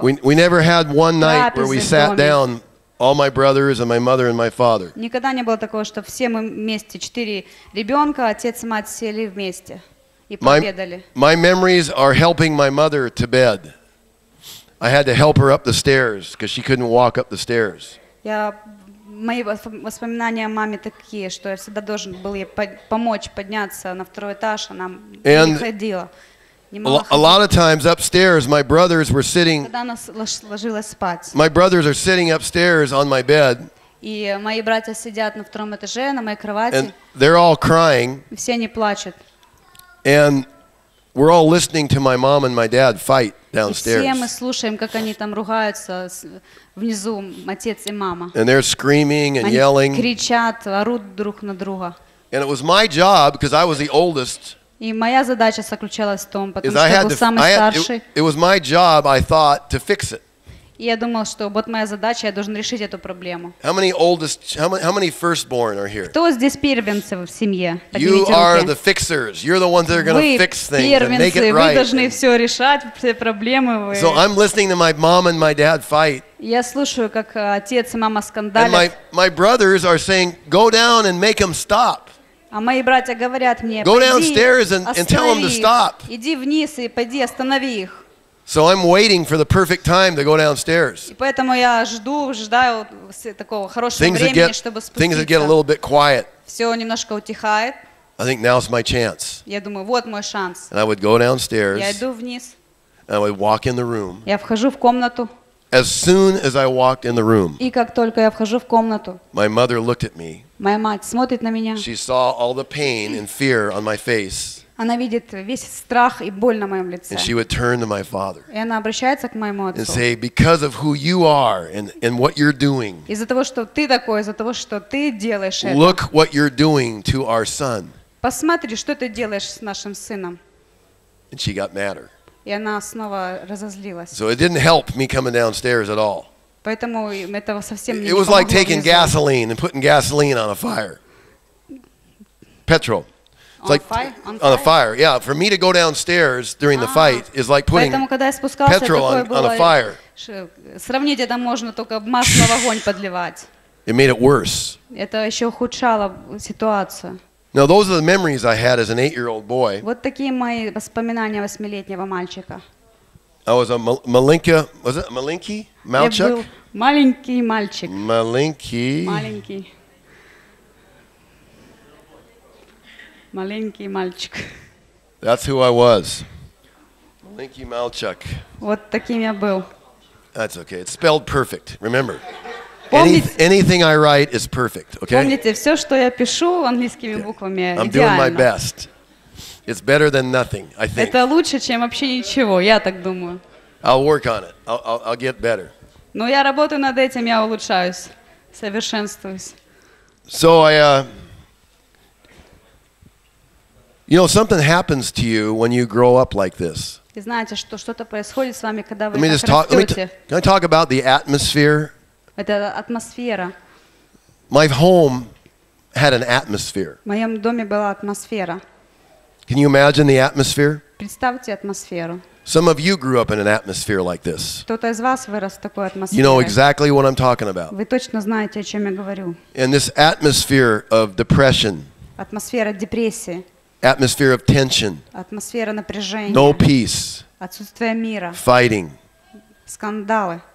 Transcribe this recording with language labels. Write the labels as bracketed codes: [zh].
[en] We never had one night where we sat down, all my brothers and my mother and my father. [ru] Никогда не было такого, что все мы вместе, 4 ребенка, отец и мать сели вместе и пообедали. [en] My memories are helping my mother to bed. I had to help her up the stairs because she couldn't walk up the stairs. [ru] Я мои воспоминания о маме такие, что я всегда должен был ей помочь подняться на второй этаж, она не ходила. [en] A lot of times upstairs, my brothers were sitting. [ru] Когда она ложилась спать. [en] My brothers are sitting upstairs on my bed. [ru] И мои братья сидят на втором этаже на моей кровати. [en] And they're all crying. [ru] Все они плачут. [en] And we're all listening to my mom and my dad fight downstairs. [ru] И все мы слушаем, как они там ругаются внизу, отец и мама. [en] And they're screaming and [ru] они [en] yelling. [ru] Кричат, орут друг на друга. [en] And it was my job because I was the oldest. [ru] И моя задача заключалась в том, потому что я был самый старший. [en] It was my job, I thought, to fix it. [ru] И я думал, что вот моя задача, я должен решить эту проблему. [en] How many oldest? How many firstborn are here? [ru] Кто здесь первенцы в семье? [en] You are the fixers. You're the ones that are going to fix things [ru] первенцы, [en] and make it right. [ru] Вы должны все решать все проблемы. Вы. [en] So I'm listening to my mom and my dad fight. [ru] Я слушаю, как отец и мама скандалят. [en] And my brothers are saying, "Go down and make them stop." [ru] А мои братья говорят мне, [en] "Go downstairs and tell them to stop." [ru] Иди вниз и пойди останови их. [en] So I'm waiting for the perfect time to go downstairs. [ru] И поэтому я ждаю такого хорошего времени, чтобы спуститься. [en] Things that get a little bit quiet. [ru] Все немножко утихает. [en] I think now's my chance. [ru] Я думаю, вот мой шанс. [en] And I would go downstairs. [ru] Я иду вниз. [en] And I would walk in the room. [ru] Я вхожу в комнату. [en] As soon as I walked in the room. [ru] И как только я вхожу в комнату. [en] My mother looked at me. [ru] Моя мать смотрит на меня. [en] She saw all the pain and fear on my face. [ru] Она видит весь страх и боль на моем лице. [en] And she would turn to my father. [ru] И она обращается к моему отцу. [en] And say, because of who you are and what you're doing. [ru] Из-за того, что ты такой, из-за того, что ты делаешь это. [en] Look what you're doing to our son. [ru] Посмотри, что ты делаешь с нашим сыном. [en] And she got madder. [ru] И она снова разозлилась. [en] So it didn't help me coming downstairs at all. [ru] Поэтому этого совсем не помогло. [en] It was like taking gasoline and putting gasoline on a fire. Petrol. It's like on a fire. Yeah, for me to go downstairs during the fight is like putting petrol on a fire. [ru] Сравнить это можно только масло в огонь подливать. [en] It made it worse. [ru] Это еще ухудшало ситуацию. [en] Now those are the memories I had as an 8-year-old boy. [ru] Вот такие мои воспоминания восьмилетнего мальчика. [en] I was a malinka. Was it malinky? Malchuk? [ru] Я был маленький мальчик. Malinky. Маленький. Маленький мальчик. [en] That's who I was. [ru] Malinky Malchuk. Вот таким я был. [en] That's okay. It's spelled perfect. Remember. Anything I write is perfect. Okay. [ru] Помните, все, что я пишу английскими буквами, [en] I'm [ru] идеально. [en] I'm doing my best. It's better than nothing, I think. [ru] Это лучше, чем вообще ничего, я так думаю. [en] I'll work on it. I'll get better. [ru] Но я работаю над этим, я улучшаюсь, совершенствуюсь. [en] So I, you know, something happens to you when you grow up like this. [ru] И знаете, что-то происходит с вами, когда вы так растете. [en] Can I talk about the atmosphere? [ru] Это атмосфера. [en] My home had an atmosphere. [ru] В моем доме была атмосфера. [en] Can you imagine the atmosphere? [ru] Представьте атмосферу. [en] Some of you grew up in an atmosphere like this. [ru] Кто-то из вас вырос в такой атмосфере. [en] You know exactly what I'm talking about. [ru] Вы точно знаете, о чем я говорю. [en] And this atmosphere of depression. [ru] Атмосфера депрессии. [en] Atmosphere of tension. [ru] Атмосфера напряжения. [en] No peace. [ru] Отсутствие мира. [en] Fighting. [ru] Скандалы.